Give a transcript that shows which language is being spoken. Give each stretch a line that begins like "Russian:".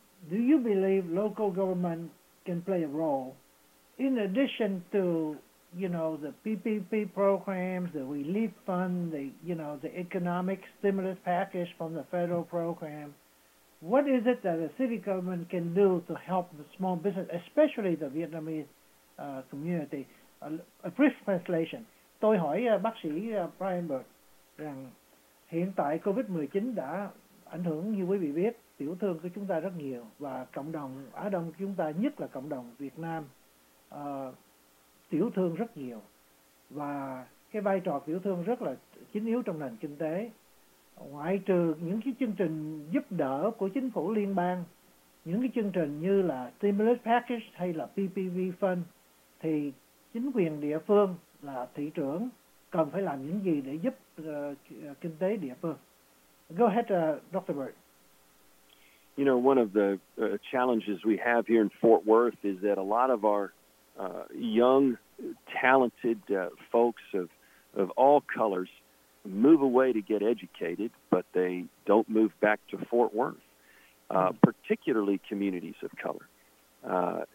English: Do you believe local government can play a role in addition to, you know, the PPP programs, the relief fund, the economic stimulus package from the federal program? What is it that the city government can do to help the small business, especially the Vietnamese community? A brief translation.
Vietnamese: Tôi hỏi bác sĩ Brian Bird rằng hiện tại COVID-19 đã ảnh hưởng, như quý vị biết, tiểu thương của chúng ta rất nhiều và cộng đồng Á Đông chúng ta, nhất là cộng đồng Việt Nam, tiểu thương rất nhiều và cái vai trò tiểu thương rất là chính yếu trong nền kinh tế. Ngoại trừ những cái chương trình giúp đỡ của chính phủ liên bang, những cái chương trình như là stimulus package hay là PPP fund, thì chính quyền địa phương là thị trưởng cần phải làm những gì để giúp kinh tế địa phương.
English: Go ahead, Dr. Bird. you know, one of the challenges we have here in Fort Worth is that a lot of our young, talented folks of all colors move away to get educated, but they don't move back to Fort Worth, particularly communities of color.